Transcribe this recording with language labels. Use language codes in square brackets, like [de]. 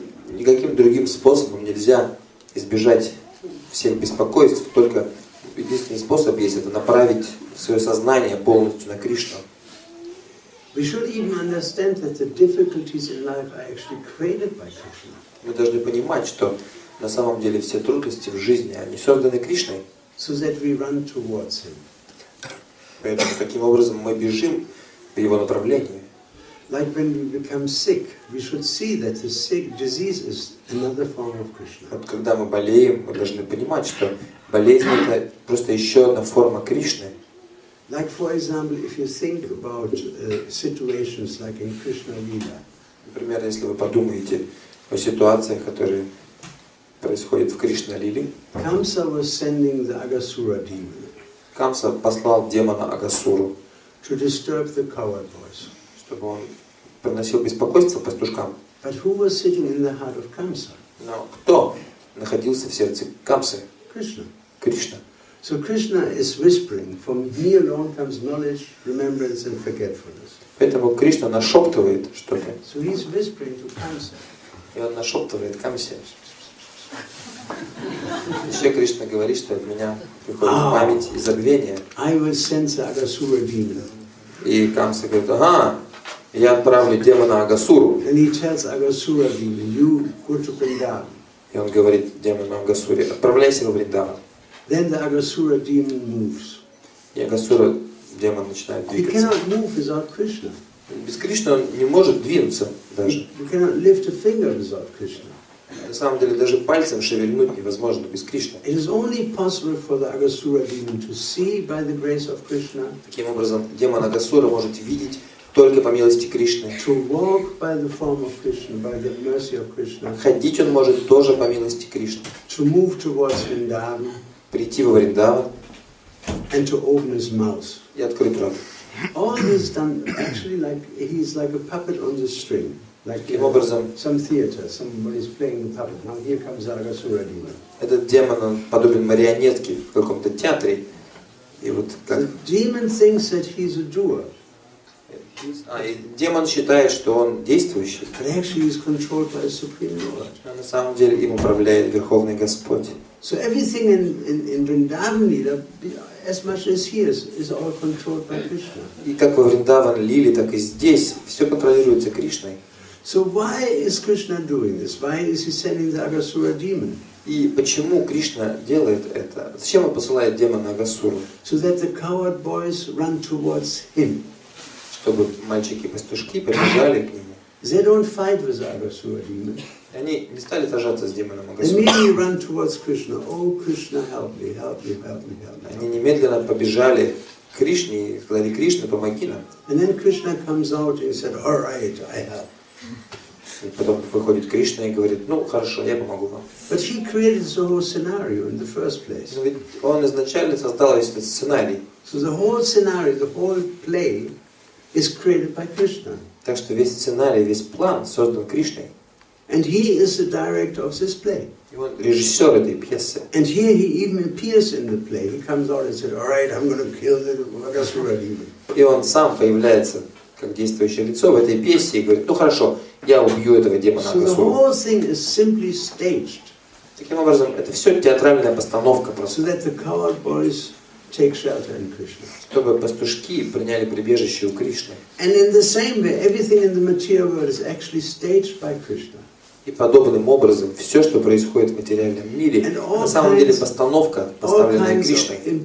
[ru] Никаким другим способом нельзя избежать всех беспокойств. Только единственный способ есть, это направить свое сознание полностью на Кришну. [en] We should even understand that the difficulties in life are actually created by Krishna. [ru] Мы должны понимать, что на самом деле все трудности в жизни, они созданы Кришной. [en] So that we run towards Him. [ru] Поэтому таким образом мы бежим в Его направлении. [en] Like when we become sick, we should see that the sick disease is another form of Krishna. [ru] Вот когда мы болеем, мы должны понимать, что болезнь это просто еще одна форма Кришны. [en] Like for example, if you think about situations like in Krishna Lila. [ru] Например, если вы подумаете о ситуациях, которые происходят в Кришна Лиле. [en] Kamsa was sending the Agasura demon. [ru] Камса послал демона Агасуру. [en] To disturb the coward boys. [ru] Чтобы он приносил беспокойство пастушкам. [en] But who was sitting in the heart of Kamsa? [ru] Но кто находился в сердце Камсы? [en] Krishna. [ru] Кришна. [en] So Krishna is whispering, from me alone comes knowledge, remembrance and forgetfulness. [ru] Поэтому Кришна нашептывает что-то. [en] So he's whispering to Kamsa. [ru] И он нашептывает Камсе. Еще Кришна говорит, что от меня приходит память и забвение. [en] I will send the Agasura demon. [ru] И Камса говорит, ага, я отправлю демона Агасуру. [en] And he tells Agasura demon, you go to Vrindavan. [ru] И он говорит демону Агасуре, отправляйся во Вриндаван. [en] Then the Agasura demon moves. [ru] И Агасура демон начинает двигаться. [en] He cannot move without Krishna. [ru] Без Кришны он не может двинуться даже. [en] He cannot lift a finger without Krishna. [ru] На самом деле даже пальцем шевельнуть невозможно без Кришны. [en] It is only possible for the Agasura demon to see by the grace of Krishna. [ru] Таким образом, демон Агасура может видеть только по милости Кришны. [en] To walk by the form of Krishna, by the mercy of Krishna. [ru] Ходить он может тоже по милости Кришны. [en] To move towards Vrindavan. [ru] Прийти во Вриндаван. [en] And to open his mouth. [ru] И открыть рот. [en] All this done actually like he's like a puppet on the string. Like [ru] образом, [en] some theater, somebody's playing the puppet. Now here comes Argasura Dima. [ru] Этот демон, он подобен марионетке в каком-то театре. И вот как... [en] The demon thinks that he's a doer. [ru] Демон считает, что он действующий. [en] But actually he's controlled by the Supreme Lord. [ru] На самом деле им управляет Верховный Господь. [en] So everything in Vrindavan Lila, as much as here, is all controlled by Krishna. [ru] И как во Вриндаван Лиле, так и здесь все контролируется Кришной. [en] So why is Krishna doing this? Why is he sending the Agasura demon? [ru] И почему Кришна делает это? Зачем он посылает демона Агасуру? [en] So that the coward boys run towards him. [ru] Чтобы мальчики-пастушки побежали к нему. [en] They don't fight with Agasura demon. [ru] Они не стали сражаться с демоном Агасура. [en] They immediately run towards Krishna. Oh, Krishna, help me, help me, help me, help me. [ru] Они немедленно побежали. Кришне и сказали: Кришна, помоги нам. [en] And then Krishna comes out and said, all right, I help. [ru] И потом выходит Кришна и говорит: ну хорошо, я помогу вам. [en] But he created the whole scenario in the first place. [ru] Он изначально создал весь этот сценарий. [en] So the whole scenario, the whole play is created by Krishna. [ru] Так что весь сценарий, весь план создан Кришной. [en] And he is the director of this play. [ru] Режиссер этой пьесы. [en] And here he even appears in the play. He comes out and said, all right, I'm going to kill the Agasura demon. [ru] И он сам появляется как действующее лицо в этой пьесе и говорит: ну хорошо, я убью этого демона Агасуру. [en] So the whole thing is simply staged. [ru] Таким образом, это все театральная постановка просто. [en] So that the coward boys take shelter in Krishna. [ru] Чтобы пастушки приняли прибежище у Кришны. [en] And in the same way, everything in the material world is actually staged by Krishna. [ru] И подобным образом все, что происходит в материальном мире, на самом деле постановка, поставленная Кришной.